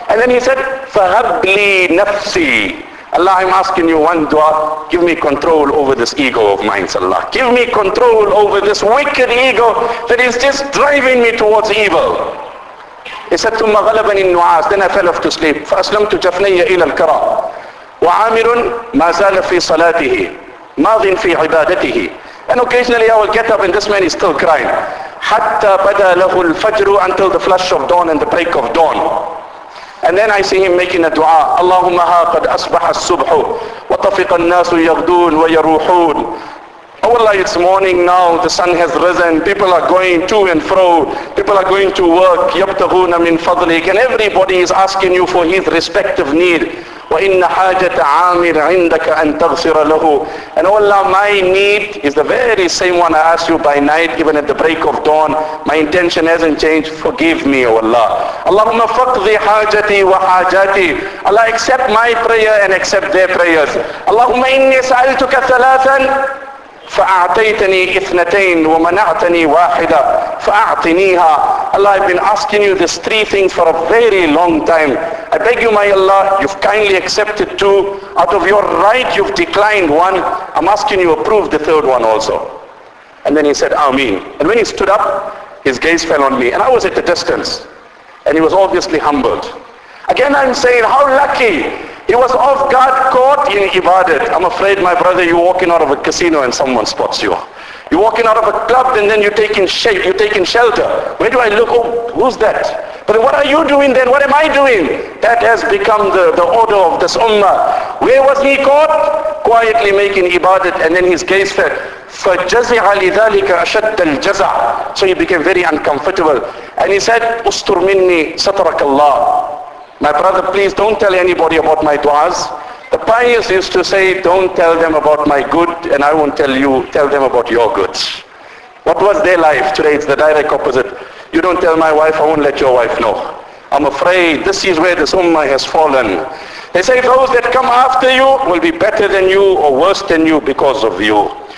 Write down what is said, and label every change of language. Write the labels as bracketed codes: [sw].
[en] And then he said, [ar] فَهَبْ لِي نَفْسِي. [en] Allah, I'm asking you one dua. Give me control over this ego of mine, Allah. Give me control over this wicked ego that is just driving me towards evil. He said, [ar] ثُمَّ غَلَبَنِ النُّعَاسُ. [en] Then I fell off to sleep. [ar] فَأَسْلَمْتُ جَفْنَيَّ إِلَى الْكَرَى. وعامر ما زال في صلاته ماض في عبادته. [en] And occasionally I will get up and this man is still crying. [ar] حتى بدا له الفجر, [en] until the flush of dawn and the break of dawn. And then I see him making a dua. [ar] اللهم ها قد أصبح الصبح وطفق الناس يغدون ويروحون. [en] Oh Allah, it's morning now, the sun has risen, people are going to and fro, people are going to work, [ar] يبتغون من فضلك, [en] and everybody is asking you for his respective need. [ar] وَإِنَّ حَاجَةَ عَامِرْ عِنْدَكَ أَنْ تَغْفِرَ لَهُ. [en] And oh Allah, my need is the very same one I ask you by night, even at the break of dawn. My intention hasn't changed. Forgive me, oh Allah. [ar] اللهم فقضي حاجتي وحاجاتي. [en] Allah, accept my prayer and accept their prayers. [ar] اللهم إِنِّي سَأَلْتُكَ ثَلَاثًا فَأَعْتَيْتَنِي إِثْنَتَيْنِ وَمَنَعْتَنِي وَاحِدًا فَأَعْتِنِيهَا. [en] Allah, I've been asking you these three things for a very long time. I beg you, my Allah, you've kindly accepted two. Out of your right, you've declined one. I'm asking you, approve the third one also. And then he said, Ameen. And when he stood up, his gaze fell on me. And I was at a distance. And he was obviously humbled. Again, I'm saying, how lucky. He was off guard, caught in ibadat. I'm afraid, my brother, you're walking out of a casino and someone spots you. You're walking out of a club and then you're taking shape, you're taking shelter. Where do I look? Oh, who's that? But what are you doing then? What am I doing? That has become the order of this ummah. Where was he caught? Quietly making ibadat, and then his gaze fell. [ar] فَجَزِعَ لِذَلِكَ أَشَدَّ الْجَزَعَ. [en] So he became very uncomfortable. And he said, [ar] أُسْتُرْ مِنِّي سَتَرَكَ اللَّهُ. [en] My brother, please don't tell anybody about my du'as. The pious is to say, don't tell them about my good, and I won't tell you, tell them about your goods. What was their life? Today it's the direct opposite. You don't tell my wife, I won't let your wife know. I'm afraid this is where this ummah has fallen. They say those that come after you will be better than you or worse than you because of you.